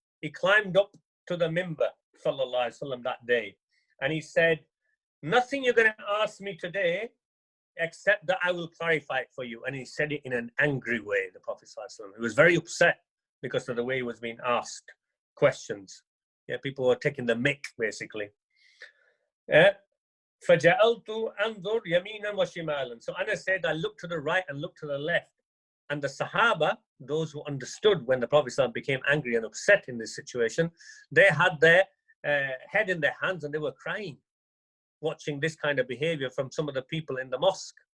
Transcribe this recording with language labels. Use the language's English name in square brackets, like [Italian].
[English] climbed up to the minbar sallallahu alaihi wasallam that day, and he said, nothing you're going to ask me today except that I will clarify it for you. And he said it in an angry way, the Prophet ﷺ. He was very upset because of the way he was being asked questions. Yeah, people were taking the mick, basically. [Arabic] فَجَعَلْتُ أَنْظُرْ يَمِينًا وَشِمَالًا. [English] So Anas said, I looked to the right and looked to the left. And the Sahaba, those who understood when the Prophet ﷺ became angry and upset in this situation, they had their head in their hands and they were crying, watching this kind of behavior from some of the people in the mosque.